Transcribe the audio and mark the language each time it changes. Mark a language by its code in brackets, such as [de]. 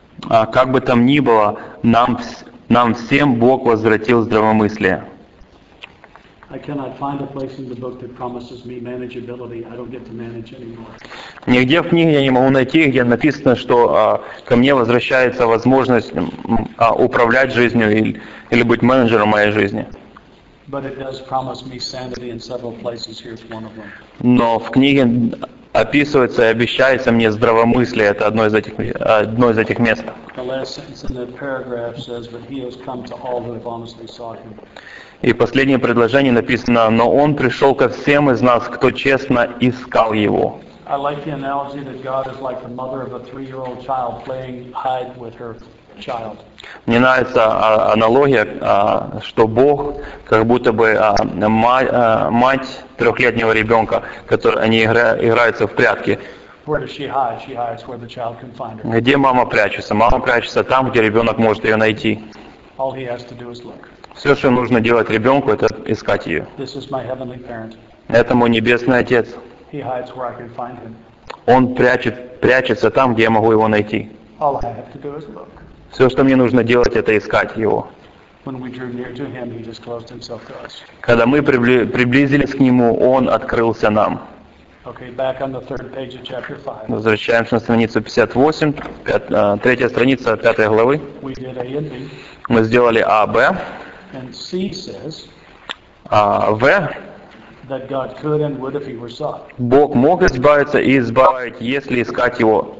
[ru] Как бы там ни было, нам всем Бог возвратил здравомыслие. [en] I cannot find a place in the book that promises me manageability. I don't get to manage anymore. [ru] Нигде в книге я не могу найти, где написано, что ко мне возвращается возможность управлять жизнью или быть менеджером моей жизни. [en] But it does promise me sanity in several places. Here's one of them. [ru] Но в книге описывается и обещается мне здравомыслие. Это одно из этих мест. [en] The last sentence in that paragraph says, "But he has come to all who have honestly sought him." [ru] И последнее предложение написано, но он пришел ко всем из нас, кто честно искал его. [en] I like the analogy that God is like the mother of a three-year-old child playing hide with her child. [ru] Мне нравится аналогия, что Бог как будто бы мать трехлетнего ребенка, который они играются в прятки. [en] Where does she hide? She hides where the child can find her. [ru] Где мама прячется? Мама прячется там, где ребенок может ее найти. [en] All he has to do is look. [ru] Все, что нужно делать ребенку, это искать ее. [en] This is my heavenly parent. [ru] Это мой небесный Отец. [en] He hides where I can find him. [ru] Он прячется там, где я могу его найти. [en] All I have to do is look. [ru] Все, что мне нужно делать, это искать его. [en] When we drew near to him, he just closed himself to us. [ru] Когда мы приблизились к нему, он открылся нам. [en] Okay, back on the third page of chapter 5. [ru] Возвращаемся на страницу 58, третья страница 5 главы. [en] We did A and B. [ru] Мы сделали А, Б. [en] And C says, [ru] В. [en] That God could and would if he were sought. [ru] Бог мог избавиться и избавит, если искать его.